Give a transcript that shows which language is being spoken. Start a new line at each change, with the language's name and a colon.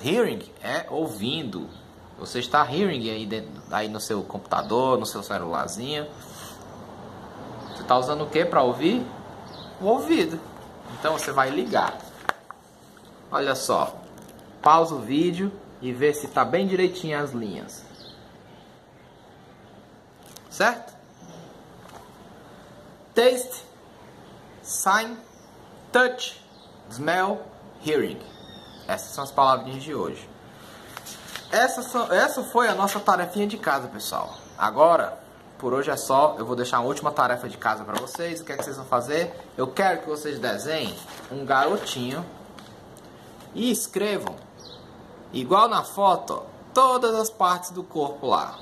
English: Hearing
Portuguese: é ouvindo. Você está
English: hearing
Portuguese: aí, aí no seu computador, no seu celularzinho. Você está usando o quê para ouvir? O ouvido. Então você vai ligar. Olha só, pausa o vídeo e vê se tá bem direitinho as linhas. Certo?
English: Taste, sign, touch, smell, hearing.
Portuguese: Essas são as palavrinhas de hoje. Essa foi a nossa tarefinha de casa, pessoal. Agora, por hoje é só, eu vou deixar a última tarefa de casa para vocês. O que é que vocês vão fazer? Eu quero que vocês desenhem um garotinho e escrevam, igual na foto, todas as partes do corpo lá.